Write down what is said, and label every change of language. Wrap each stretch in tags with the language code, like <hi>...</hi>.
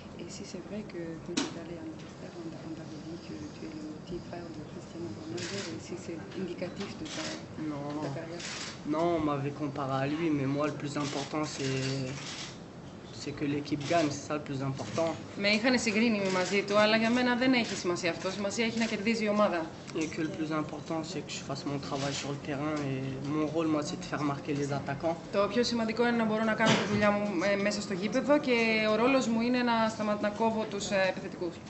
<fr>Et si c'est vrai que quand tu es allé en Angleterre, on t'a dit que tu es le petit frère de Cristiano Ronaldo, et si c'est indicatif de ta carrière. Non, on m'avait comparé à lui, mais moi le plus important c'est que l'équipe gagne, c'est ça le plus important. Mais ils ont</fr> <el>συγκρίνει μαζί του, αλλά για μένα δεν έχει σημασία αυτό. Σημασία έχει να κερδίζει η ομάδα.</el> <fr>Et que le plus important c'est que je fasse mon travail sur le terrain et mon rôle moi c'est de faire marquer les attaquants.</fr> <el>Το πιο σημαντικό είναι να μπορώ να κάνω τη δουλειά μου μέσα στο γήπεδο και ο ρόλος μου είναι να σταματήσω να κόβω τους επιθετικούς.</el>